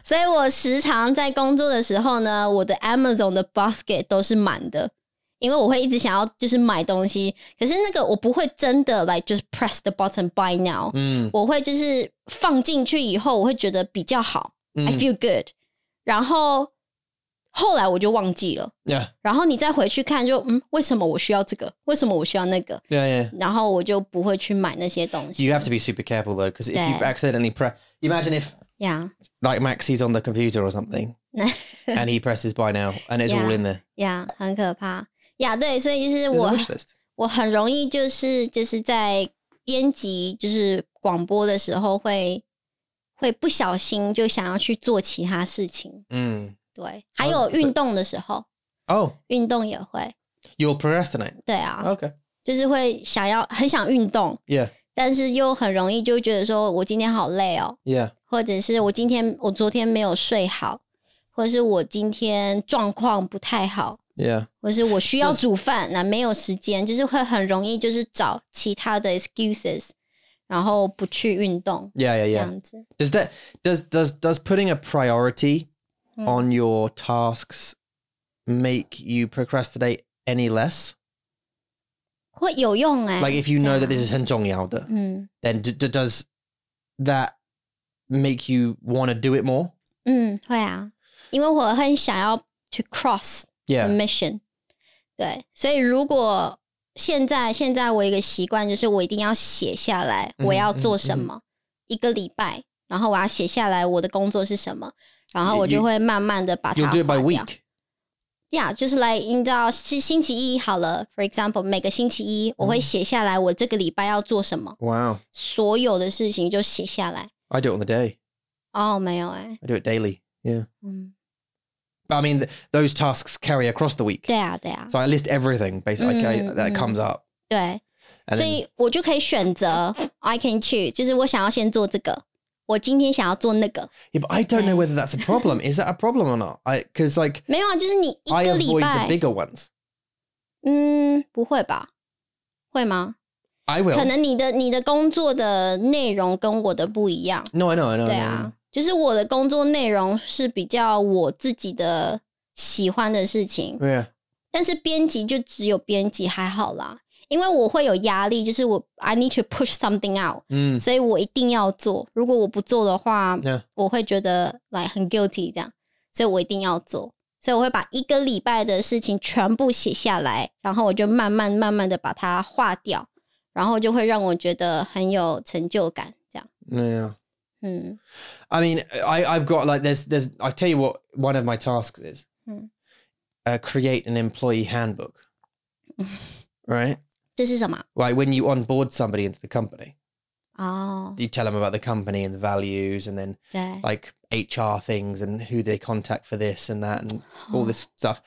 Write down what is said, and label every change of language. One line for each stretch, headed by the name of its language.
Chinese: 所以我时常在工作的时候呢我的 Amazon 的 basket 都是满的因为我会一直想要就是买东西可是那个我不会真的
English: like just press the button buy now、嗯、
Chinese: 我会就是放进去以后我会觉得比较好
English: I feel good、
Chinese: 嗯、然后后来我就忘记了、
English: yeah.
Chinese: 然后你再回去看就、嗯、为什么我需要这个为什么我需要那个
English: yeah, yeah.
Chinese: 然后我就不会去买那些东西
English: You have to be super careful though because if you accidentally press Imagine if、 yeah. like Maxie's on the computer or something and he presses buy now and it's yeah, all in there
Chinese: Yeah 很可怕 yeah, 对所以就是我 我很容易就是在编辑就是广播的时候会不小心就想要去做其他事情。嗯，对，还有运动的时候，哦，运动也会。
English: You procrastinate.
Chinese: 对啊
English: ，OK，
Chinese: 就是会想要很想运动
English: ，Yeah，
Chinese: 但是又很容易就觉得说我今天好累哦
English: ，Yeah，
Chinese: 或者是我昨天没有睡好，或者是我今天状况不太好
English: ，Yeah，
Chinese: 或者是我需要煮饭，那没有时间，就是会很容易就是找其他的 excuses。然后不去运动
English: yeah, yeah, yeah.
Chinese: 这样子
English: Does putting a priority、嗯、on your tasks make you procrastinate any less?
Chinese: 会有用耶
English: Like if you know、啊、that this is
Chinese: 很重要的、嗯、
English: Then does that make you want to do it more?
Chinese: 嗯会啊因为我很想要
English: to cross the、 yeah.
Chinese: mission 对所以如果现在我一个习惯就是我一定要写下来我要做什么、嗯嗯嗯、一个礼拜然后我要写下来我的工作是什么然后我就会慢慢的把它
English: You'll do it by week
Chinese: Yeah 就是 like 你知道星期一好了
English: For example
Chinese: 每个星期一我会写下来我这个礼拜要做什么
English: Wow
Chinese: 所有的事情就写下来
English: I do it on the day
Chinese: 哦、oh, 没有哎、欸、
English: I do it daily Yeah、嗯But I mean, those tasks carry across the week.
Chinese: 对啊，对啊。
English: So I list everything, basically,、嗯 okay, that comes up.
Chinese: 对。所以我就可以选择
English: I can choose,
Chinese: 就是我想要先做这个。我今天想要做那个。
English: Yeah, but I don't know whether that's a problem. Is that a problem or not? Because like...
Chinese: 没有啊，就是你一个礼拜。
English: I avoid the bigger ones.
Chinese: 嗯，不会吧？会吗？
English: I will.
Chinese: 可能你的工作的内容跟我的不一样。
English: No, I know, I know.
Chinese: 对啊。就是我的工作内容是比较我自己的喜欢的事情、
English: yeah.
Chinese: 但是编辑就只有编辑还好啦因为我会有压力就是我
English: I need to push something out、嗯、
Chinese: 所以我一定要做如果我不做的话、
English: yeah.
Chinese: 我会觉得 like, 很 guilty 这样所以我一定要做所以我会把一个礼拜的事情全部写下来然后我就慢慢慢慢的把它划掉然后就会让我觉得很有成就感这样没有、yeah. Hmm.
English: I mean, I've got like, there's, I tell you what one of my tasks is, create an employee handbook, right?
Chinese: 这是什么?
English: Right, when you onboard somebody into the company, oh. you tell them about the company and the values and then like HR things and who they contact for this and that and all this stuff.